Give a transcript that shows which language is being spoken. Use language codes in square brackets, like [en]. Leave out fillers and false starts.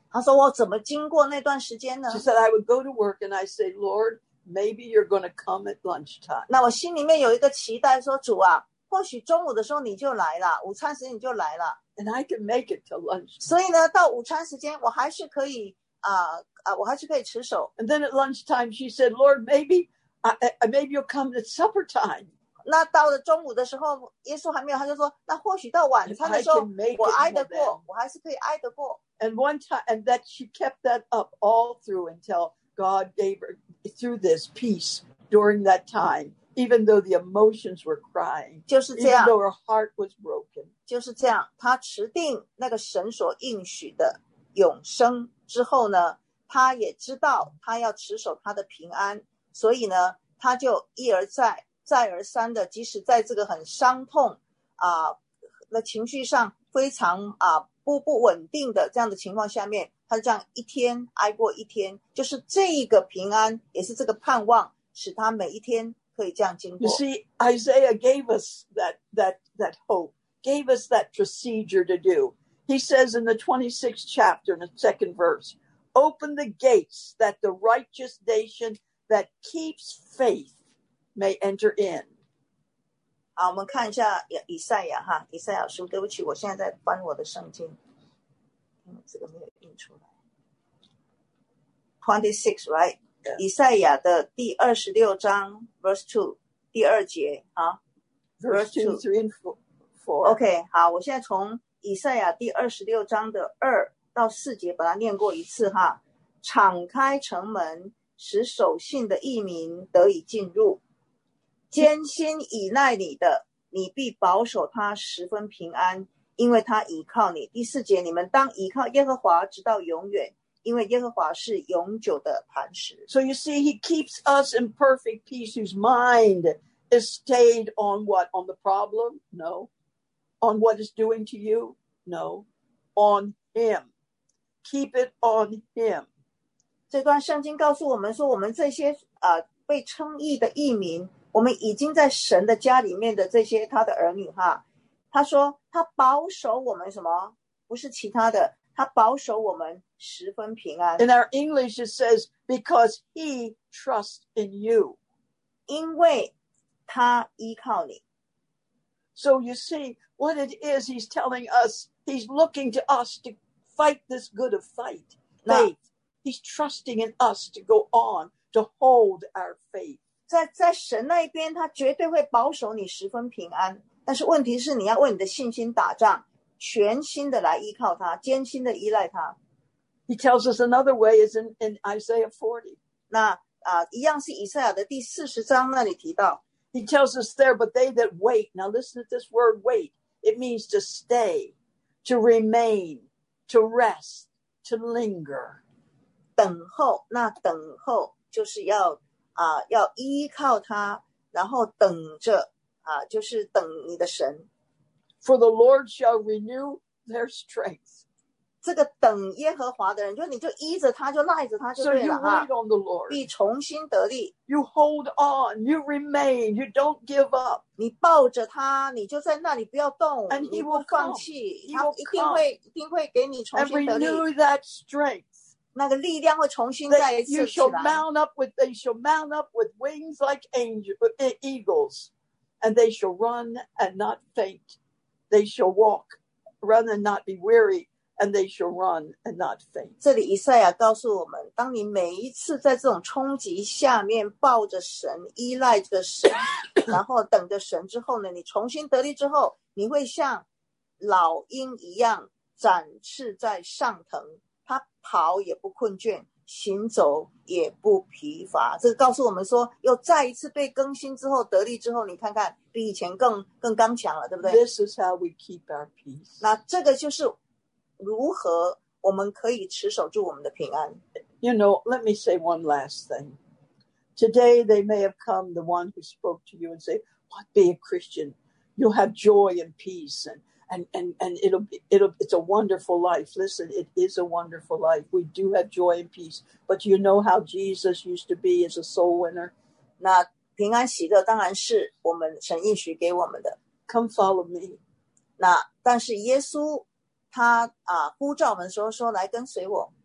[zh] 他说我怎么经过那段时间呢 [en] ？She said, "I would go to work and I say, Lord." Maybe you're going to come at lunchtime. [zh] 那我心里面有一个期待，说主啊，或许中午的时候你就来了，午餐时间你就来了。 [en] And I can make it till lunch. [zh] 所以呢，到午餐时间我还是可以我还是可以持守。 [en] And then at lunchtime, she said, "Lord, maybe you'll come at supper time." [zh] 那到了中午的时候，耶稣还没有，他就说，那或许到晚餐的时候，我挨得过，我还是可以挨得过。 [en] And one time, and that she kept that up all through until God gave her. Through this peace during that time, even though the emotions were crying, [zh] 就是这样 [en] even though her heart was broken, [zh] 就是这样。他持定那个神所应许的永生之后呢，他也知道他要持守他的平安，所以呢，他就一而再、再而三的，即使在这个很伤痛那情绪上非常不稳定的这样的情况下面。他这样一天挨过一天，就是这个平安，也是这个盼望，使他每一天可以这样经过。 [en] You see, Isaiah gave us that hope, gave us that procedure to do. He says in the 26th chapter, in the second verse, "Open the gates that the righteous nation that keeps faith may enter in." [zh] 好，我们看一下以赛亚哈，以赛亚书。对不起，我现在在翻我的圣经。这个没有印出来。 [en] 26, right? Yeah. [zh] 以赛亚的第二十六章 ， [en] verse 2, [zh] 第二节啊。 [en] Verse 2, 3, and 4. [zh] OK, 好，我现在从以赛亚第二十六章的二到四节把它念过一次哈。敞开城门，使守信的义民得以进入。艰辛倚赖你的，你必保守他十分平安。因为他倚靠你，第四节，你们当倚靠耶和华直到永远，因为耶和华是永久的磐石。 [en] So you see, he keeps us in perfect peace, whose mind is stayed on what? On the problem? No. On what is doing to you? No. On him. Keep it on him. [zh] 这段圣经告诉我们说，我们这些被称义的义民，我们已经在神的家里面的这些他的儿女哈。他说他保守我们什么不是其他的他保守我们十分平安。 [en] In our English it says, because he trusts in you. [zh] 因为他依靠你。 [en] So you see, what it is he's telling us, he's looking to us to fight this good of fight. Faith. He's trusting in us to go on, to hold our faith. [zh] 在神那边他绝对会保守你十分平安。但是问题是你要为你的信心打仗全心的来依靠他艰辛的依赖他。 [en] He tells us another way is in Isaiah 40. [zh] 那, 一样是以赛亚的第四十章那里提到。 [en] He tells us there, but they that wait, now listen to this word wait, it means to stay, to remain, to rest, to linger. [zh] 等候，那等候就是要要依靠他，然后等着就是等你的神。 [en] For the Lord shall renew their strength. [zh] 这个等耶和华的人，就你就依着他，就赖着他就对了。 [en] So you wait on the Lord. [zh] 必重新得力。 [en] You hold on. You remain. You don't give up. [zh] 你抱着他，你就在那里不要动。 [en] And he [zh] 你不放弃， [en] will come. [zh] 他一定会一定会给你重新得力。 [en] And renew that strength. [zh] 那个力量会重新再一次起来。 [en] You shall mount up with, they shall mount up with wings like eagles, and they shall run and not faint. They shall walk, run and not be weary, and they shall run and not faint. [zh] 这里以赛亚告诉我们，当你每一次在这种冲击下面抱着神、依赖着神，然后等着神之后呢，你重新得力之后，你会像老鹰一样展翅在上腾。他跑也不困倦，行走也不疲乏。这个告诉我们说，又再一次被更新之后，得力之后，你看看比以前更刚强了，对不对 [en] ？This is how we keep our peace. [zh] 那这个就是如何我们可以持守住我们的平安。 [en] You know, let me say one last thing. Today they may have come, the one who spoke to you and say, "What be a Christian? You'll have joy and peace and." And it's a wonderful life. Listen, it is a wonderful life. We do have joy and peace. But you know how Jesus used to be as a soul winner? [zh] 那平安喜乐当然是我们神应许给我们的。 [en] Come follow me. [zh] 那但是耶稣他呼召我们说说来跟随我。